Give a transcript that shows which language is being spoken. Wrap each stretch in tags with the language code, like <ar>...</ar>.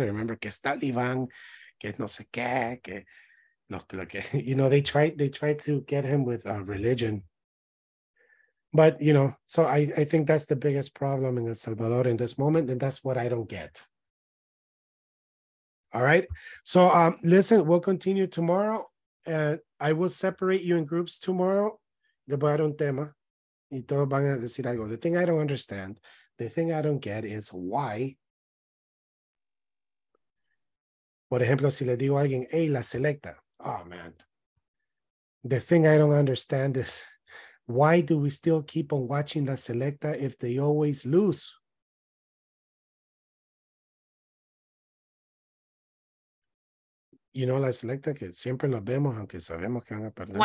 <es>Remember que está Liván, que no sé qué, que no creo que.</es> <en>You know, they tried to get him with religion. But you know, so I think that's the biggest problem in El Salvador in this moment, and that's what I don't get. All right. So listen, we'll continue tomorrow. I will separate you in groups tomorrow.</en> <es>Le voy a dar un tema y todos van a decir algo.</es> <en>The thing I don't understand, the thing I don't get is why.</en> <es>Por ejemplo, si le digo a alguien, hey, la selecta.</es> <en>Oh, man. The thing I don't understand is why do we still keep on watching la selecta if they always lose? You know,</en> <es>la selecta, que siempre los vemos, aunque sabemos que van a perder.</es>